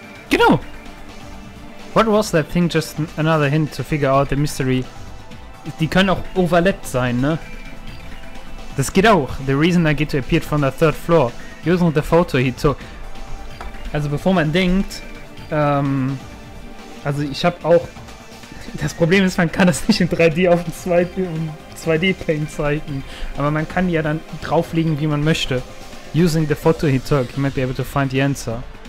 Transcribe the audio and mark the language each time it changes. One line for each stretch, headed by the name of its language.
English: You know! What was that thing? Just another hint to figure out the mystery.
German: Die können auch overlapped sein, ne? Das geht auch.
English: The reason Nagito appeared from the third floor. Using the photo he took.
German: Also bevor man denkt, also ich habe auch... Das Problem ist, man kann das nicht in 3D auf dem 2D-Pane zeigen. Aber man kann ja dann drauflegen, wie man möchte.
English: Using the photo he took, you might be able to find the answer.